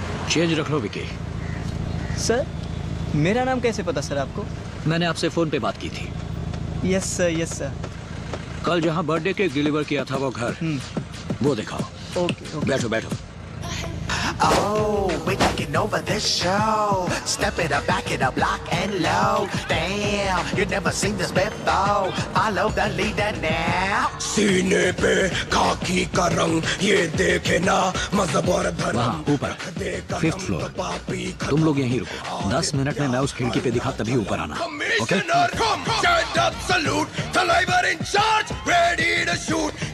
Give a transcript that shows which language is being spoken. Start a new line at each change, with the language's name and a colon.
Hindi: Change रख लो Vicky. Sir, मेरा नाम कैसे पता सर आपको? मैंने आपसे फोन पे बात की थी। Yes sir, yes sir. कल जहां बर्थडे केक डिलीवर किया था वो घर, वो दिखाओ। Okay, okay. बैठो बैठो।
English: Oh, we're taking over this show. Step it up, back it up, lock and low. Damn, you never seen this before. Follow the leader now.
Hindi: Sine pe khaki ka rang, ye dekhe na mazhab aur dharm. वहाँ ऊपर, fifth floor. तुम लोग यहीं रुको. 10 minutes में मैं उस खिड़की पे दिखा तभी ऊपर आना.
English: Commissioner, come. Stand up, salute. Thaliver in charge, ready to shoot.